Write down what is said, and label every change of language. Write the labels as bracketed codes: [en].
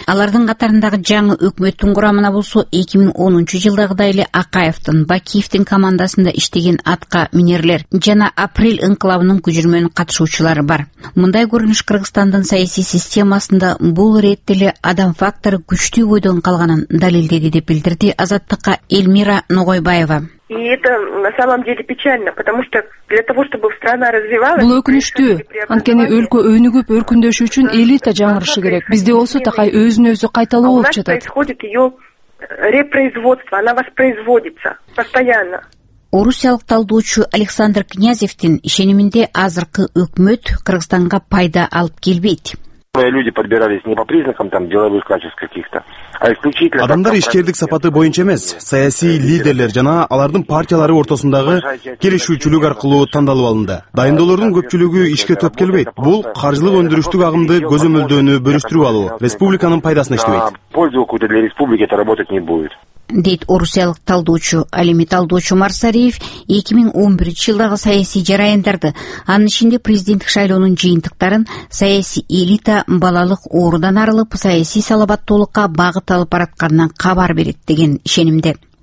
[ky] Алардын катарындагы жаңы өкмөттүн курамына болсо 2010-жылдагыдай эле Акаевдин, Бакиевдин командасында иштеген атка минерлер жана Апрель инкылабынын күжүрмөн катышуучулары бар. Мындай көрүнүш Кыргызстандын саясий системасында бул иретте эле адам фактору күчтүү бойдон калганын далилдеди деп билдирди Азаттыкка Эльмира Ногой. [ru] И это на самом деле печально, потому что для того, чтобы страна развивалась, [ky] бул өкүнүштүү. Анткени өлкө өнүгүп өркүндөшү үчүн элита жаңырышы керек. Бизде болсо такай өзүн-өзү кайталоо болуп жатат. [ru] Происходит её репроизводство, она воспроизводится постоянно. [ky] Орусиялык талдоочу Александр Князевтин ишениминде азыркы өкмөт Кыргызстанга пайда алып келбейт. [ru] Люди подбирались не по признакам там деловых качеств каких-то, а исключительно. [ky] Адамдар ишкердик сапаты боюнча эмес, саясий лидерлер жана алардын партиялары ортосундагы келишүүчүлүк аркылуу тандалып алынды. Дайындоолордун көпчүлүгү ишке топ келбейт. Бул каржылык өндүрүштүк агымды көзөмөлдөөнү бөлүштүрүп алуу, республиканын пайдасына иштебейт. [ru] Пользу какую-то для республики это работать не будет. [ky] Дейт орусиялык талдоочу Алими талдоочу Марсариев 2011 жылдагы саясий жараяндарды, анын ичинде президенттик шайлоонун жыйынтыктарын, саясий элита балалык оорудан арылып, саясий салабаттуулукка багыт алып баратканынан кабар берет деген ишенимде.